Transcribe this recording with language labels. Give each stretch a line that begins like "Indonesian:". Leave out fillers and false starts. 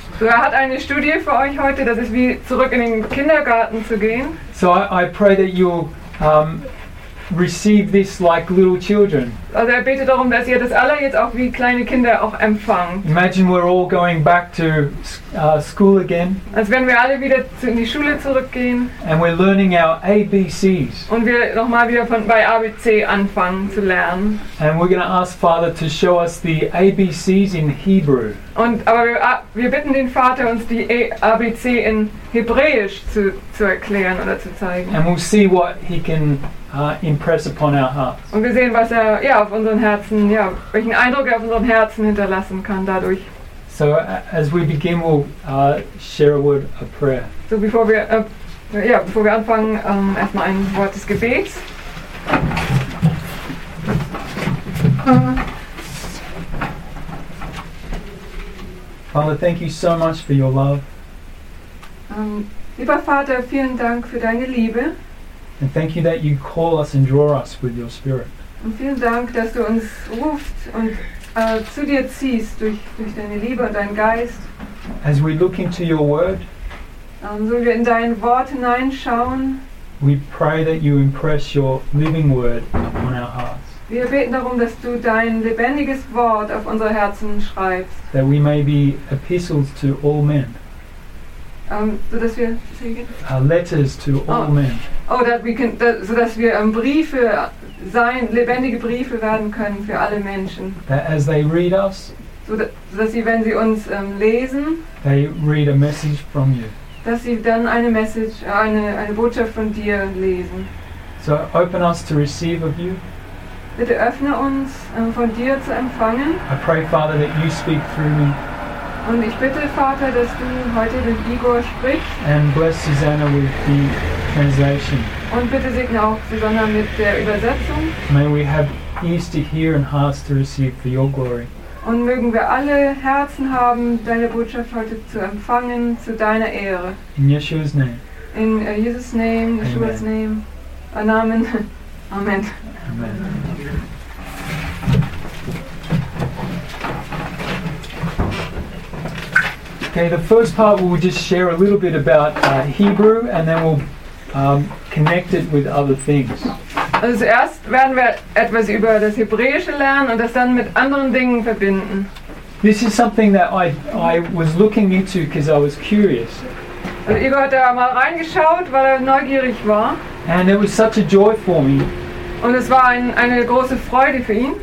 German: So er hat eine Studie für euch heute, das ist wie zurück in den Kindergarten zu gehen.
English: So I pray that you receive this like little children.
German: Also er betet darum, dass ihr das alle jetzt auch wie kleine Kinder auch empfangt.
English: Imagine we're all going back to school again.
German: Als wenn wir alle wieder in die Schule zurückgehen.
English: And we're learning our ABCs.
German: Und wir nochmal wieder von bei ABC anfangen zu lernen.
English: And we're going to ask Father to show us the ABCs in Hebrew.
German: Und aber wir bitten den Vater, uns die ABC in Hebräisch zu erklären oder zu zeigen.
English: And we'll see what he can impress upon our hearts.
German: Und wir sehen, was er ja auf unseren Herzen, ja, welchen Eindruck er auf unseren Herzen hinterlassen kann dadurch.
English: So as we begin, we'll share a word of prayer.
German: So bevor wir ja, bevor wir anfangen, erstmal ein Wort des Gebets.
English: Father, thank you so much for your love.
German: Lieber Vater, vielen Dank für deine Liebe.
English: And thank you that you call us and draw us with your Spirit.
German: Und vielen Dank, dass du uns ruft und zu dir ziehst durch deine Liebe und deinen Geist.
English: As we look into your Word,
German: so wir in dein Wort hineinschauen,
English: we pray that you impress your living Word upon our hearts.
German: Wir beten darum, dass du dein lebendiges Wort auf unsere Herzen schreibst.
English: That we may be epistles to all men.
German: So dass wir
English: letters to all men. Oh, that we can, that,
German: so dass wir Briefe sein, lebendige Briefe werden können für alle Menschen.
English: That as they read us,
German: so dass sie, wenn sie uns lesen,
English: they read a message from you.
German: Dass sie dann eine Botschaft von dir lesen.
English: So open us to receive of you.
German: Bitte öffne uns, von dir zu empfangen.
English: I pray, Father, that you speak through me.
German: Und ich bitte, Vater, dass du heute mit Igor sprichst.
English: And bless Susanna with the translation.
German: Und bitte segne auch Susanna mit der Übersetzung.
English: May we have ears to hear and hearts to receive for your glory.
German: Und mögen wir alle Herzen haben, deine Botschaft heute zu empfangen, zu deiner Ehre.
English: In Yeshua's name. In Jesus' name, Yeshua's name. Amen. Amen. Amen. Okay, the first part we'll just share a little bit about Hebrew, and then we'll connect it with other things.
German: Also erst werden wir etwas über das Hebräische lernen und das dann mit anderen Dingen verbinden.
English: This is something that I was looking into because I was curious.
German: Also Igor hat da mal reingeschaut, weil er neugierig war.
English: And it was such a joy for me.
German: Und es war eine große Freude für ihn.